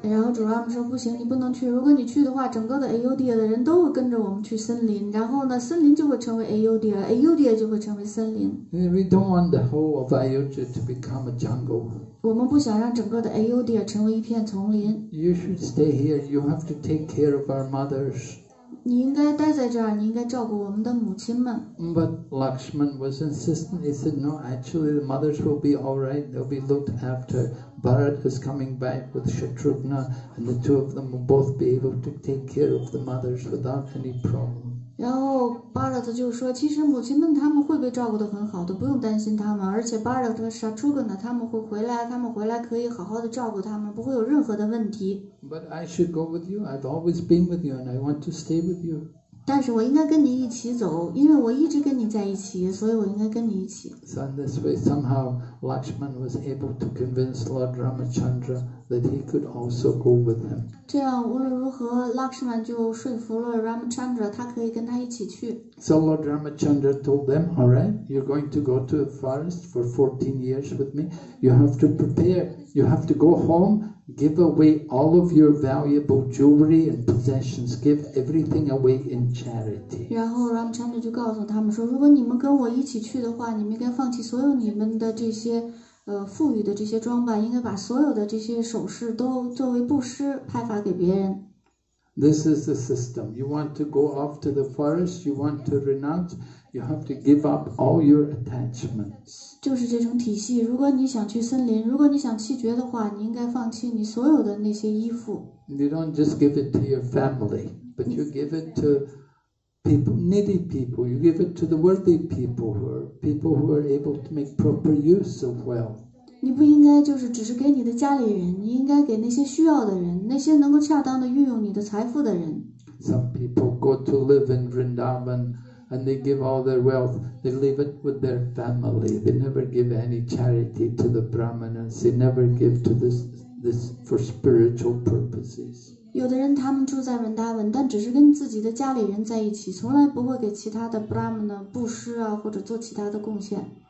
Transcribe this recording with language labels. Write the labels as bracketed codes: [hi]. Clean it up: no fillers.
[zh] 然后主 Rama 说，不行，你不能去。如果你去的话，整个的 Ayodhya 的人都会跟着我们去森林，然后呢，森林就会成为 Ayodhya， Ayodhya 就会成为森林。 [en] We don't want the whole of Ayodhya to become a jungle. [zh] 我们不想让整个的 Ayodhya 成为一片丛林。 [en] You should stay here. You have to take care of our mothers. [zh] 你应该待在这儿，你应该照顾我们的母亲们。 [en] But Lakshman was insistent. He said, "No, actually, the mothers will be all right. They'll be looked after. Bharat is coming back with Shatrughna, and the two of them will both be able to take care of the mothers without any problem." [zh] 然后 Bharat 就说，其实母亲们他们会被照顾得很好的，不用担心他们。而且 Bharat 和 Shatrughna 他们会回来，他们回来可以好好的照顾他们，不会有任何的问题。 [en] But I should go with you. I've always been with you, and I want to stay with you. [zh] 但是我应该跟你一起走，因为我一直跟你在一起，所以我应该跟你一起。 [en] So in this way, somehow Lakshman was able to convince Lord Ramachandra. That he could also go with him. [zh] 这样无论如何 ，Lakshman 就说服了 Ramchandra， 他可以跟他一起去。 [en] So Lord Ramchandra told them, "All right, you're going to go to a forest for 14 years with me. You have to prepare. You have to go home Give away all of your valuable jewelry and possessions. Give everything away in charity. [zh] 然后 Ram Chandra 就告诉他们说，如果你们跟我一起去的话，你们应该放弃所有你们的这些富裕的这些装扮，应该把所有的这些首饰都作为布施派发给别人。 [en] This is the system. You want to go off to the forest, you want to renounce, you have to give up all your attachments. [zh] 就是这种体系，如果你想去森林，如果你想弃绝的话，你应该放弃你所有的那些衣服。 [en] You don't just give it to your family, but you give it to people, needy people. You give it to the worthy people, who are people who are able to make proper use of wealth. [zh] 你不应该就是只是给你的家里人，你应该给那些需要的人，那些能够恰当的运用你的财富的人。 [en] Some people go to live in Vrindavan and they give all their wealth. They leave it with their family. They never give any charity to the Brahmanas. They never give to this for spiritual purposes. [zh] 有的人他们住在 Vrindavan， 但只是跟自己的家里人在一起，从来不会给其他的 Brahmana 布施啊，或者做其他的贡献。